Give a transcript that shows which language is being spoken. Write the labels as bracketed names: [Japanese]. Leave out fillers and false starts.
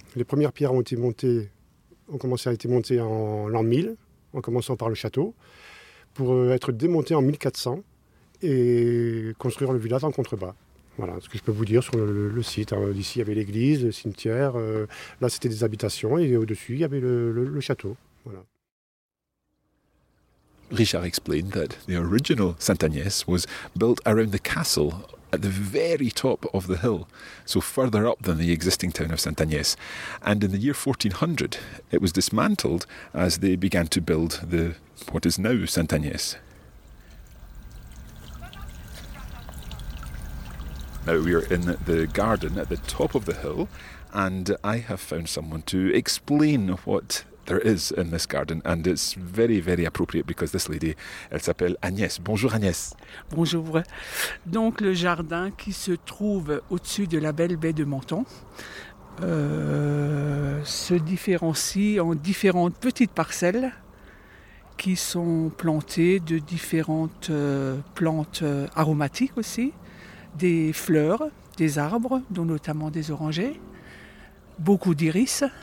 [French] Les premières pierres ont été montées en l'an 1000, en commençant par le château, pour être démontées en 1400 et construire le village en contrebas. Voilà ce que je peux vous dire sur le site. Ici, il y avait l'église, le cimetière. Là, c'était des habitations et au-dessus, il y avait le château. Voilà. [English] Richard explained that the original Saint-Agnès was built around the castle at the very top of the hill, so further up than the existing town of Saint-Agnès. And in the year 1400, it was dismantled as they began to build the what is now Saint-Agnès. Now we are in the garden at the top of the hill, and I have found someone to explain what there is in this garden, and it's very, very appropriate because this lady, [French] elle s'appelle Agnès. Bonjour Agnès. Bonjour. Donc le jardin qui se trouve au-dessus de la belle baie de Menton se différencie en différentes petites parcelles qui sont plantées de différentes plantes aromatiques aussi, des fleurs, des arbres, dont notamment des orangers, beaucoup d'iris.